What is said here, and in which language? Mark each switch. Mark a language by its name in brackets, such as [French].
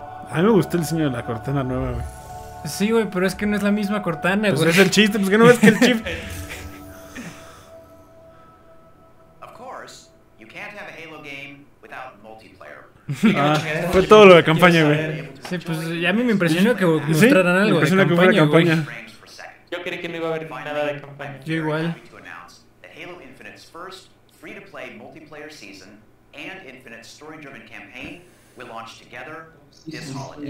[Spanish] A mí me gustó el diseño de la Cortana nueva, güey. Sí, güey, pero es que no es la misma Cortana, güey. Pues es el chiste, pues que no ves que el chip. [English] Of course, you can't have a Halo game without multiplayer. [Spanish] Ah, fue todo lo de campaña, güey. Sí, pues ya a mí me impresionó que mostraran, ¿sí?, algo me de campaña, que fuera campaña. Yo creí que no iba a haber nada de campaña. Yo igual. [English] Halo Infinite's first free-to-play multiplayer season and Infinite's story-driven campaign will launch together this holiday.